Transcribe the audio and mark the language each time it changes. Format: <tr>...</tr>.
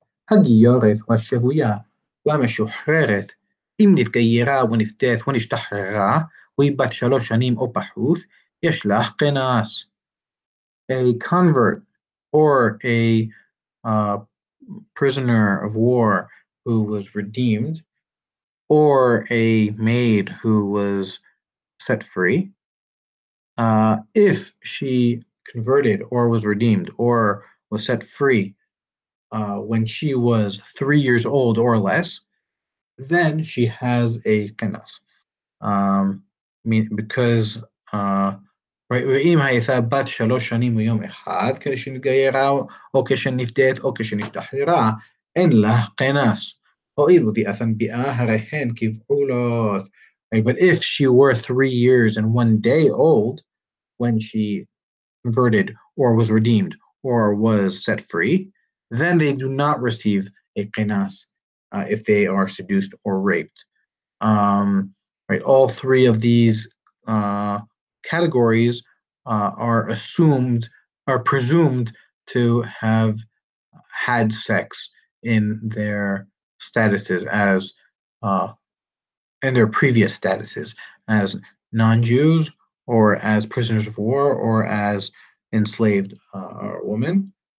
<he>הגיורת והשבויה והמשוחררת אם נתגיירה ונפתית ונשתחררה והיא בת שלוש שנים או פחות יש לך קנס.</he> <en>A convert or a prisoner of war who was redeemed or a maid who was set free, if she converted or was redeemed or was set free when she was 3 years old or less, then she has a kenas. Because</en> <he>ואם הייתה בת שלוש שנים ויום אחד כשנתגיירה או כשנפדית או כשנשתחררה, אין לה כנס. הואיל וביאת הנביאה הרי הן כבעולות.</he> <en>But if she were 3 years and 1 day old when she converted or was redeemed or was set free, then they do not receive a kenas if they are seduced or raped. All three of these categories are presumed to have had sex in their statuses as in their previous statuses as non-Jews or as prisoners of war or as enslaved women.</en>